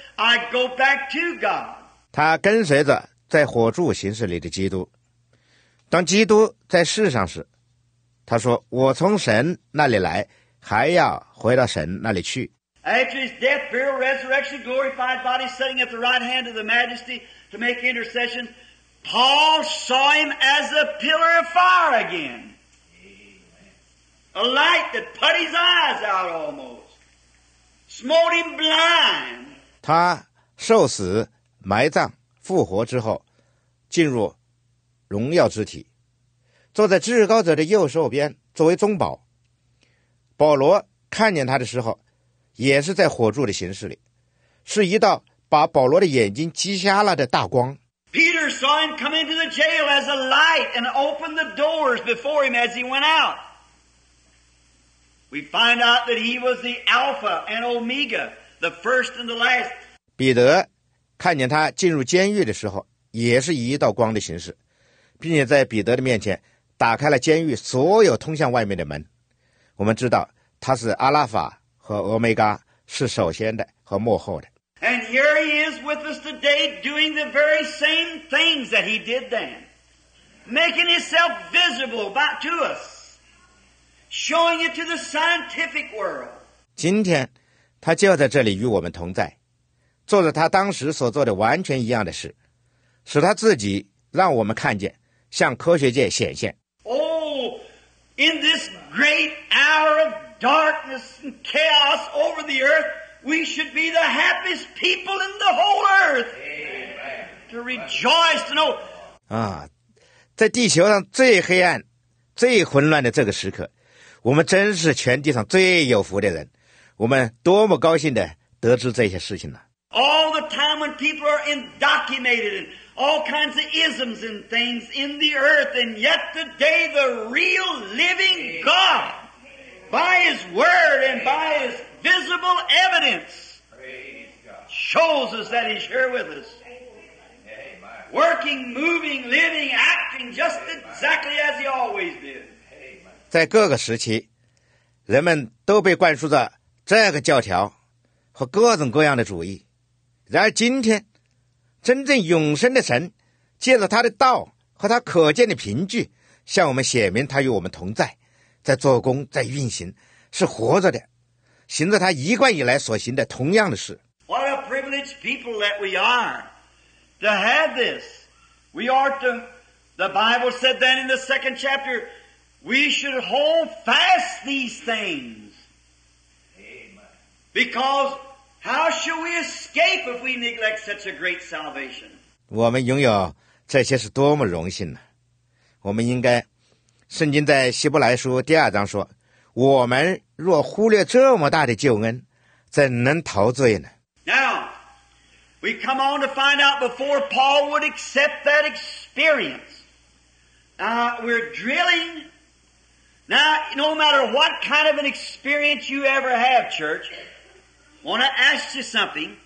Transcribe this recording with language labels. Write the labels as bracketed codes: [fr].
[en] I go back to God. [zh] 他跟随着在火柱形式里的基督，当基督在世上时，他说，我从神那里来，还要回到神那里去。 [en] After his death, burial, resurrection, glorified body, sitting at the right hand of the majesty to make intercession, Paul saw him as a pillar of fire again. A light that put his eyes out almost. Smote him blind. [zh] 他受死埋葬复活之后进入荣耀之体，坐在至高者的右手边作为中保。保罗看见他的时候也是在火柱的形式里，是一道把保罗的眼睛击瞎了的大光。 [en] Peter saw him come into the jail as a light and opened the doors before him as he went out. We find out that he was the Alpha and Omega, the first and the last. [zh] 彼得看见他进入监狱的时候，也是以一道光的形式，并且在彼得的面前打开了监狱所有通向外面的门。我们知道他是阿拉法和欧米伽，是首先的和幕后的。 [en] And here he is with us today doing the very same things that he did then. Making himself visible back to us. Showing it to the scientific world. [zh] 今天他就在这里与我们同在，做着他当时所做的完全一样的事，使他自己让我们看见，向科学界显现。 [en] Oh, in this great hour of darkness and chaos over the earth, we should be the happiest people in the whole earth. Amen. To rejoice to know. [zh] 啊，在地球上最黑暗、最混乱的这个时刻，我们真是全地上最有福的人。我们多么高兴的得知这些事情呢？ [en] All the time when people are indoctrinated and all kinds of isms and things in the earth, and yet today the real living God, by His Word and by His visible evidence, shows us that He's here with us. Working, moving, living, acting just exactly as He always did. [zh] 在各个时期，人们都被灌输着这个教条和各种各样的主义。然而今天，真正永生的神借着他的道和他可见的凭据，向我们显明他与我们同在，在做工，在运行，是活着的，行着他一贯以来所行的同样的事。 [en] What a privileged people that we are to have this. We are to, the Bible said then in the second chapter, we should hold fast these things. Because how shall we escape if we neglect such a great salvation? [zh] 我们拥有这些是多么荣幸呢？我们应该，圣经在希伯来书第二章说，我们若忽略这么大的救恩，怎能陶醉呢？ [en] Now, we come on to find out before Paul would accept that experience. Now, we're drilling. Now, no matter what kind of an experience you ever have, church,Want to ask you something.